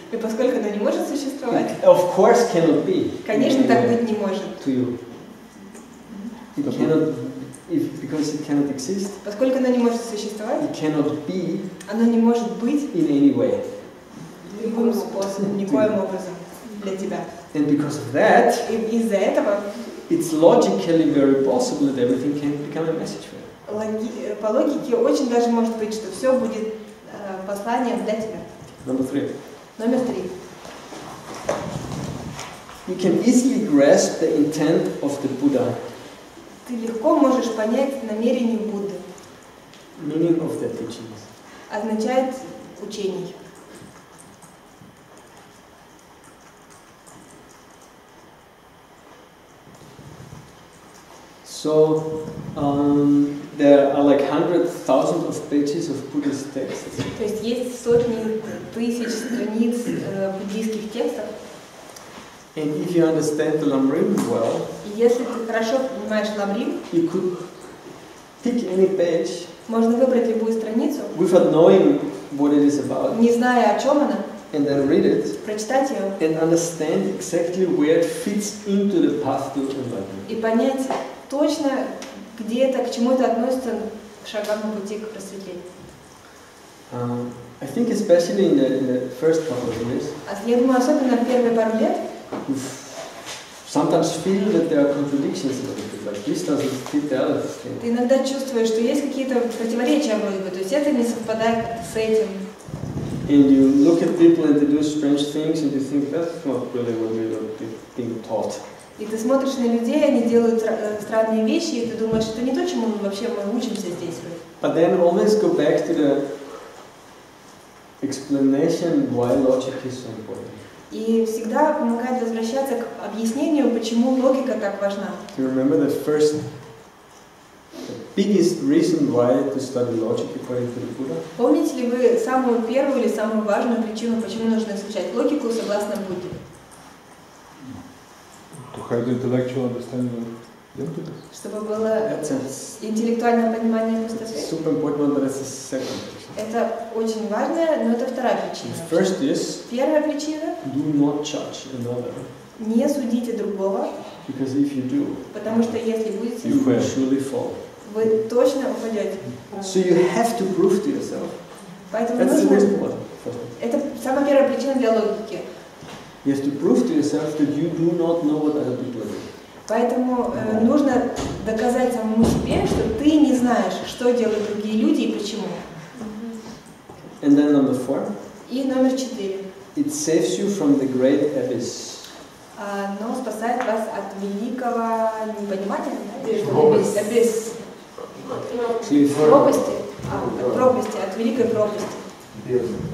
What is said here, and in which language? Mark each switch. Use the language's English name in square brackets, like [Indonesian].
[Russian] И поскольку оно не может существовать. [English] Of course cannot be. [Russian] Конечно, так быть не может. [English] To you. It cannot, if, because it cannot exist. [Russian] Поскольку оно не может существовать. [English] It cannot be. [Russian] Оно не может быть. [English] In any way. [Russian] Любым способом, никоим образом для тебя. [English] And because of that, [Russian] из-за этого, [English] it's logically very possible that everything can become a message for you. [Russian] По логике очень даже может быть, что все будет послание для тебя. [English] Number three. You can easily grasp the intent of the Buddha. [Russian] Ты легко можешь понять намерение Будды. [English] Meaning of the teachings. [Russian] Означает учений. [English] So there are like hundreds, thousands of pages of Buddhist texts. [Russian] То есть есть сотни тысяч страниц буддийских текстов. [English] And if you understand the Lamrim well, [Russian] если ты хорошо понимаешь Lamrim, [English] you could pick any page. [Russian] Можно выбрать любую страницу. [English] Without knowing what it is about. [Russian] Не зная о чем она. [English] And then read it. [Russian] Прочитать ее. [English] And understand exactly where it fits into the path to enlightenment. [Russian] И понять точно, где это, к чему это относится, к шагам пути к просветлению. [English] I think especially in the first couple of years. [Russian] А я думаю, особенно в первые пару лет. [English] Sometimes feel that there are contradictions in the book, like this doesn't fit the other thing. [Russian] Ты иногда чувствуешь, что есть какие-то противоречия в этом, то есть это не совпадает с этим. [English] And you look at people and they do strange things, and you think that's not really what we're being taught. [Russian] И ты смотришь на людей, они делают странные вещи, и ты думаешь, что это не то, чему мы вообще учимся здесь. [English] But then always go back to the explanation why logic is so important. [Russian] И всегда помогает возвращаться к объяснению, почему логика так важна. [English] Do you remember the first, the biggest reason why to study logic according to the Buddha? [Russian] Помните ли вы самую первую или самую важную причину, почему нужно изучать логику согласно Будде? [English] To have the intellectual understanding of emptiness. [Russian] Чтобы было интеллектуальное понимание пустоты. [English] Super important, but it's the second. [Russian] Это очень важно, но это вторая причина. [English] First is, [Russian] первая причина. [English] Do not judge another. [Russian] Не судите другого. [English] Because if you do, [Russian] потому что если будете, [English] you will surely fall. [Russian] Вы точно упадете. [English] So you have to prove to yourself. [Russian] Поэтому [English] that's [Russian] нужно, [English] the first one. [Russian] Это самая первая причина для логики. [English] You have to prove to yourself that you do not know what other people do. [Russian] Поэтому нужно доказать самому себе, что ты не знаешь, что делают другие люди и почему. [English] And then number four. [Russian] И номер четыре. [English] It saves you from the great abyss. [Russian] Но спасает вас от великого непонимания, да? Абисс. От пропасти. От пропасти, от великой пропасти. Без.